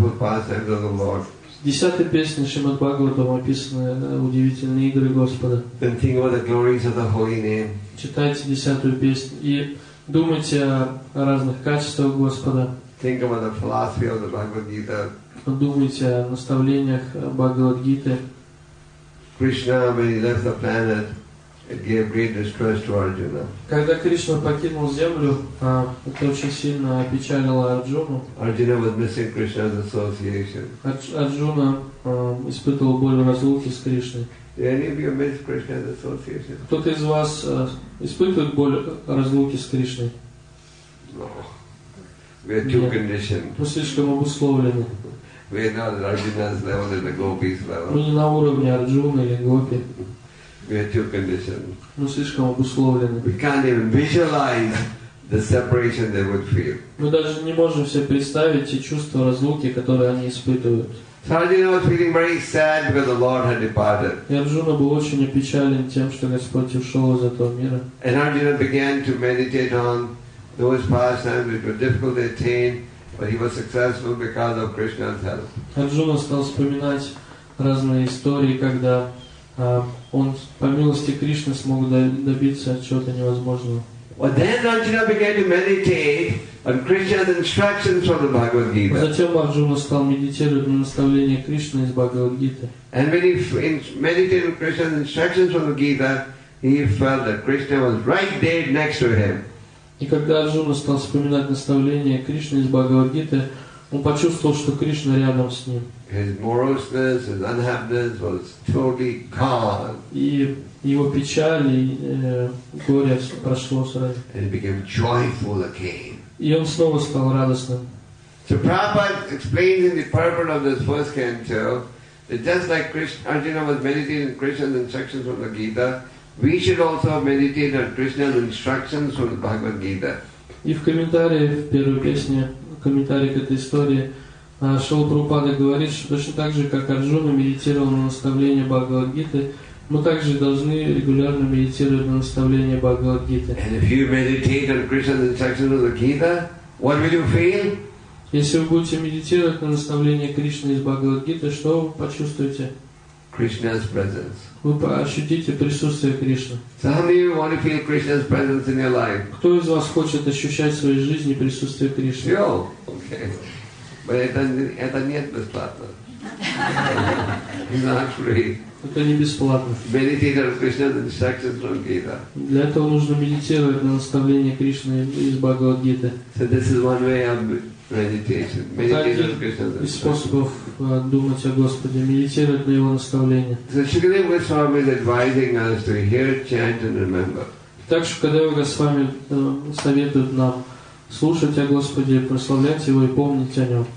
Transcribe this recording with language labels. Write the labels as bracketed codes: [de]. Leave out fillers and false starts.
[ru] В 10-й песне Шримад Бхагаватам описаны удивительные игры Господа. Читайте 10-ю песню и думайте о разных качествах Господа. [en] Think about the philosophy of the Bhagavad Gita. [ru] Думайте о наставлениях Бхагавад Гиты. [en] Krishna, when he left the planet, it gave great distress to Arjuna. [ru] Когда Кришна покинул землю, это очень сильно опечалило Арджуну. [en] Arjuna was missing Krishna's association. [ru] Арджуна испытывал боль разлуки с Кришной. Кто-то из вас испытывает боль разлуки с Кришной? [en] No. We are too conditioned. [ru] Мы слишком обусловлены. [en] We are not Arjuna's level and the gopis level. [ru] Мы не на уровне Арджуны или Гопи. [en] We are too conditioned. [ru] Мы слишком обусловлены. [en] We can't even visualize the separation they would feel. [ru] Мы даже не можем себе представить те чувства разлуки, которые они испытывают. [en] Arjuna was feeling very sad because the Lord had departed. [ru] И Арджуна был очень опечален тем, что Господь ушел из этого мира. [en] And Arjuna began to meditate on those pastimes which were difficult to attain, but he was successful because of Krishna's help. [ru] Арджуна стал вспоминать разные истории, когда он по милости Кришны смог добиться чего-то невозможного. [en] But then Arjuna began to meditate on Krishna's instructions from the Bhagavad Gita. [ru] Затем Арджуна стал медитировать на наставления Кришны из Бхагавад Гиты. [en] And when he meditated on Krishna's instructions from the Gita, he felt that Krishna was right there next to him. [ru] И когда Арджуна стал вспоминать наставления Кришны из Бхагавад Гиты, он почувствовал, что Кришна рядом с ним. [en] His moroseness, his unhappiness was totally gone. [ru] И его печаль и горе прошло сразу. [en] And he became joyful again. [ru] И он снова стал радостным. [en] So Prabhupada explains in the purport of this first canto that just like Arjuna was meditating on Krishna's instructions from the Gita, we should also meditate on Krishna's instructions from the Bhagavad Gita. [ru] И в комментарии в первой песне, комментарии к этой истории, Шрила Прабхупада говорит, что точно так же, как Арджуна медитировал на наставление Бхагавад Гиты, мы также должны регулярно медитировать на наставление Бхагавад Гиты. [en] And if you meditate on Krishna's instructions of the Gita, what will you feel? [ru] Если вы будете медитировать на наставление Кришны из Бхагавад Гиты, что вы почувствуете? [en] Krishna's presence. [ru] Вы ощутите присутствие Кришны. [en] So how many of you want to feel Krishna's presence in your life? [ru] Кто из вас хочет ощущать в своей жизни присутствие Кришны? [en] Yo. Okay. [ru] But это нет бесплатно. [en] It's not free. [ru] Это не бесплатно. [en] Meditate on Krishna's instructions from Gita. [ru] Для этого нужно медитировать на наставления Кришны из Бхагавад Гиты. [en] So this is one way of meditation. Meditate on Krishna's instructions. [ru] Из способов думать о Господе, медитировать на Его наставления. [en] So Shukadeva Goswami is advising us to hear, chant and remember. [ru] Так что Шукадева Госвами советует нам слушать о Господе, прославлять Его и помнить о Нем.